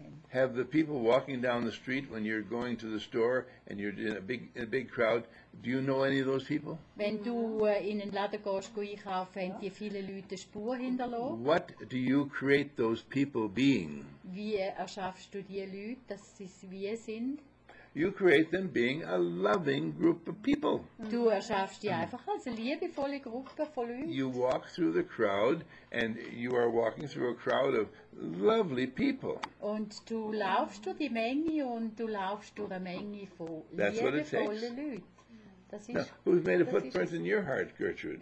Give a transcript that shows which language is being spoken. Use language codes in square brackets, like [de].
[en] Have the people walking down the street when you're going to the store and you're in a big crowd, do you know any of those people? [de] Wenn du in den Laden gehst, geh einkaufen, haben die viele Leute Spur hinterlassen. [en] What do you create those people being? [de] Wie erschaffst du die Leute, dass sie wie sind? [en] You create them being a loving group of people. [de] Du erschaffst die einfach als eine liebevolle Gruppe von Leuten. [en] You walk through the crowd and you are walking through a crowd of lovely people. [de] Und du laufst durch die Menge und du laufst durch eine Menge von liebevollen Leuten. Das ist, [en] no, who's made a footprint in your heart, Gertrude?